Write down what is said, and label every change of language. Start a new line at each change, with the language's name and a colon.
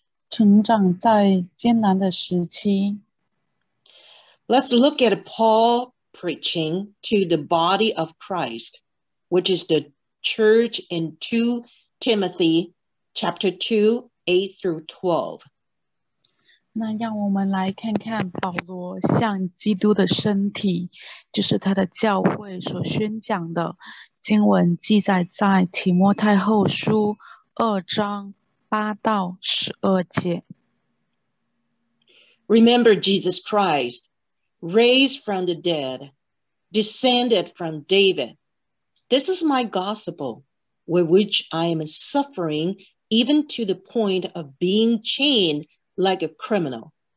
Chinese: 成长在艰难的时期。
English: Let's look at Paul preaching to the body of Christ, which is the church in 2 Timothy chapter 2, 8 through 12.
Chinese: 那让我们来看看保罗向基督的身体，就是他的教会所宣讲的经文，记载在提摩太后书二章八到十二节。
English: Remember Jesus Christ, raised from the dead, descended from David. This is my gospel, with which I am suffering even to the point of being chained like a criminal.